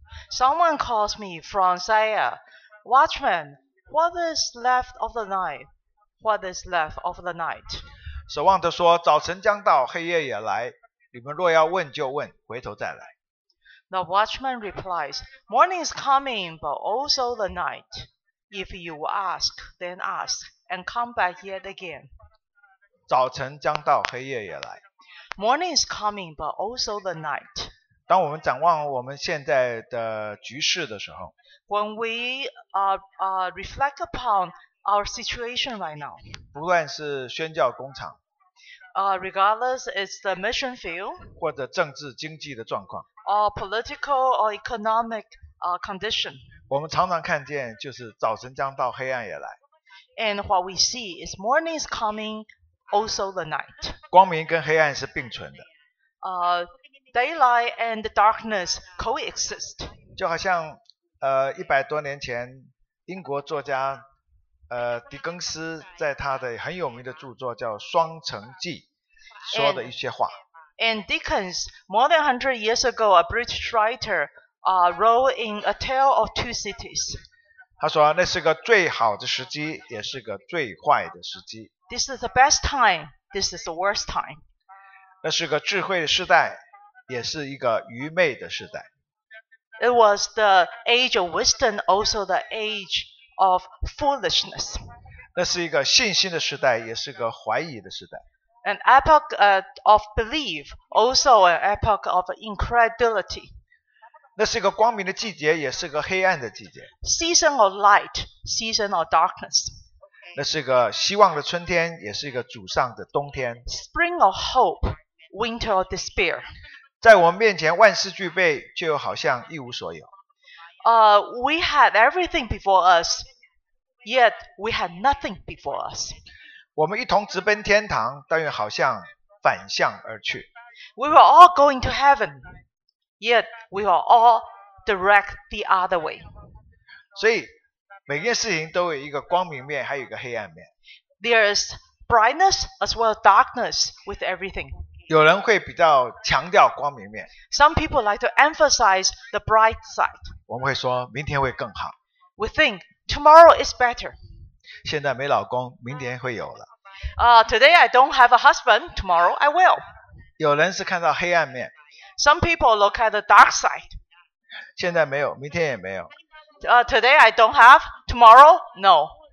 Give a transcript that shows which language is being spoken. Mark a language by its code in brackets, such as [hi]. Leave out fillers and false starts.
[en] Someone calls me from Seir, Watchman, what is left of the night? What is left of the night? [zh] 守望的说，早晨将到，黑夜也来，你们若要问就问，回头再来。 [en] The watchman replies, Morning is coming, but also the night. If you ask, then ask, and come back yet again. [zh] 早晨将到，黑夜也来。 [en] Morning is coming, but also the night. [zh] 当我们展望我们现在的局势的时候， [en] When we reflect upon our situation right now, [zh] 不论是宣教工厂， [en] Regardless it's the mission field, [zh] 或者政治经济的状况， [en] or political or economic condition. [zh] 我们常常看见就是早晨将到，黑暗也来。 [en] And what we see is morning is coming, also the night. [zh] 光明跟黑暗是并存的。 [en] Daylight and darkness coexist. [zh] 就好像一百多年前英国作家狄更斯在他的很有名的著作叫《双城记》说的一些话。 [en] And Dickens, more than 100 years ago, a British writer, wrote in A Tale of Two Cities. [zh] 他说那是个最好的时机，也是个最坏的时机。 [en] This is the best time, this is the worst time. [zh] 那是个智慧的时代，也是一个愚昧的时代。 [en] It was the age of wisdom, also the age of foolishness. [zh] 那是一个信心的时代，也是个怀疑的时代。 [en] An epoch of belief, also an epoch of incredulity. [zh] 那是一个光明的季节，也是个黑暗的季节。 [en] Season of light, season of darkness. [zh] 那是一个希望的春天，也是一个沮丧的冬天。 [en] Spring of hope, winter of despair. [zh] 在我们面前万事俱备，却又好像一无所有。 [en] We had everything before us, yet we had nothing before us. [zh] 我们一同直奔天堂，但又好像反向而去。 [en] We were all going to heaven, yet we were all direct the other way. [zh] 所以每件事情都有一个光明面，还有一个黑暗面。 [en] There is brightness as well as darkness with everything. [zh] 有人会比较强调光明面。 [en] Some people like to emphasize the bright side. [zh] 我们会说明天会更好。 [en] We think tomorrow is better. [zh] 现在没老公，明天会有了。 [en] Today I don't have a husband. Tomorrow I will. [zh] 有人是看到黑暗面。 [en] Some people look at the dark side. [zh] 现在没有，明天也没有。 [en] Today I don't have. Tomorrow no.